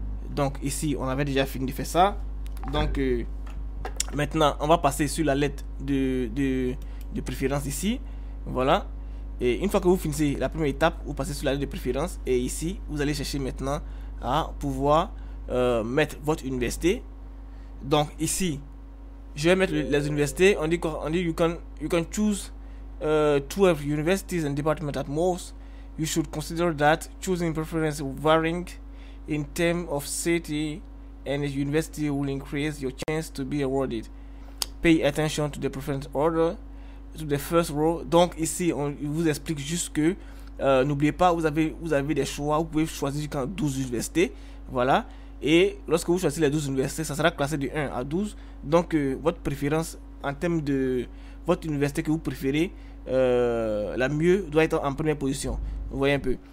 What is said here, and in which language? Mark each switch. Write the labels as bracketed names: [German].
[French] Donc ici, on avait déjà fini de faire ça. Donc maintenant, on va passer sur la lettre de préférence ici. Voilà. Et une fois que vous finissez la première étape, vous passez sur la lettre de préférence. Et ici, vous allez chercher maintenant à pouvoir mettre votre université. Donc ici, je vais mettre les universités. On dit quoi? On dit [English] you can choose 12 universities and departments at most. You should consider that choosing preference varying in terms of city and university will increase your chance to be awarded. Pay attention to the preference order, to the first row. [French] Donc ici, on vous explique juste que n'oubliez pas, vous avez des choix. Vous pouvez choisir jusqu'à 12 universités. Voilà. Et lorsque vous choisissez les 12 universités, ça sera classé de 1 à 12. Donc, votre préférence en termes de votre université que vous préférez, la mieux, doit être en première position. Vous voyez un peu.